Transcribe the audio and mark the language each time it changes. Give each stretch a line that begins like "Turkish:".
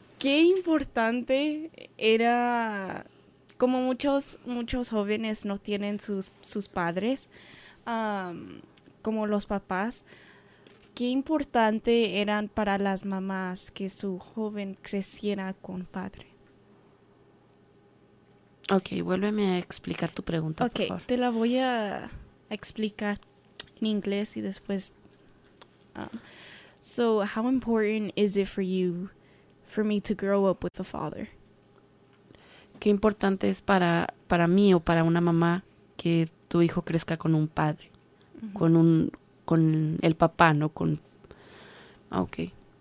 Spanish: ¿Qué importante era, como muchos jóvenes no tienen sus padres, como los papás, qué importante eran para las mamás que su joven creciera con padre? Ok, vuélveme a explicar tu pregunta, okay, por favor. Ok, te la voy a explicar en inglés y después...
English: So, how important is it for you, for me to grow up with a father?
Spanish: ¿Qué importante es para mí o para una mamá que tu hijo crezca con un padre? Mm-hmm. Con el papá, ¿no? Con... Ok.